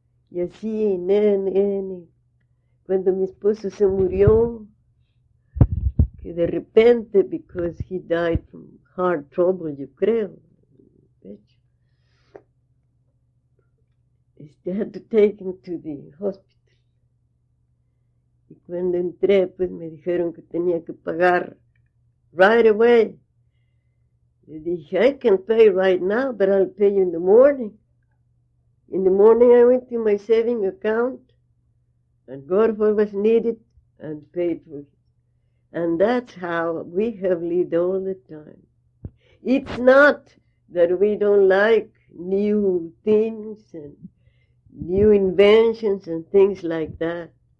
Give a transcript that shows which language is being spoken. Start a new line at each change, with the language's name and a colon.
Spanish: Y así, nene, cuando mi esposo se murió, que de repente,
English: because he died from heart trouble,
Spanish: yo creo,
English: they had to take him to the hospital.
Spanish: Y cuando entré, pues me dijeron que tenía que pagar
English: right away.
Spanish: Le dije,
English: I can pay right now, but I'll pay you in the morning. In the morning, I went to my saving account and got what was needed and paid for it. And that's how we have lived all the time. It's not that we don't like new things and new inventions and things like that.